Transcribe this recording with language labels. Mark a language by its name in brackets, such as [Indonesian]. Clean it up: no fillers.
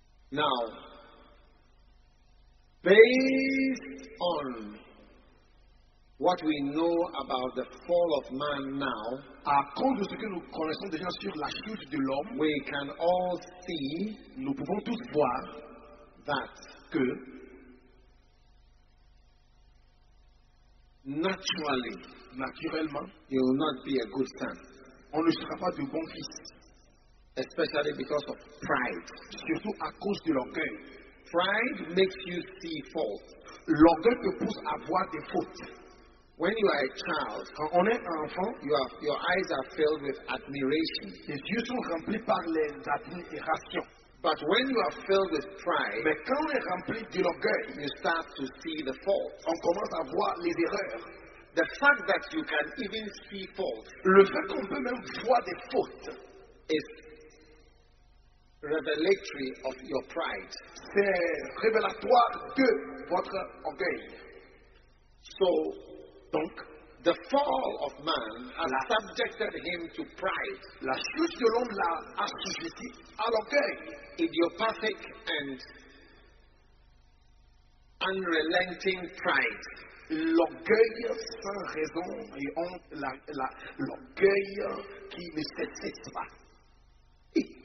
[English] Now, based on what we know about the fall of man now, [French] à cause de ce que nous connaissons déjà sur la chute de l'homme, [English] we can all see, [French] nous pouvons tous voir, [English] that [French] que [English] naturally, [French] naturellement, [English] you will not be a good son. [French] On ne sera pas de bon fils. [English] Especially because of pride. [French] Surtout à cause de l'orgueil. [English] Pride makes you see faults. [French] L'orgueil te pousse à voir des fautes. [English] When you are a child, [French] quand on est un enfant, [English] your eyes are filled with admiration. [French] Tes yeux sont remplis par les admirations. [English] But when you are filled with pride, [French] mais quand on est rempli de l'orgueil, [English] you start to see the faults. [French] On commence à voir les erreurs. [English] The fact that you can even see faults, [French] le fait qu'on peut même voir des fautes, [English] is revelatory of your pride. [French] C'est révélatoire de votre orgueil. [English] So, [French] donc, [English] the fall of man has subjected him to pride. [French] La chute de l'homme l'a assujetti à l'orgueil. [English] Idiopathic and unrelenting pride. [French] L'orgueil sans raison et honte, l'orgueil qui ne cesse pas.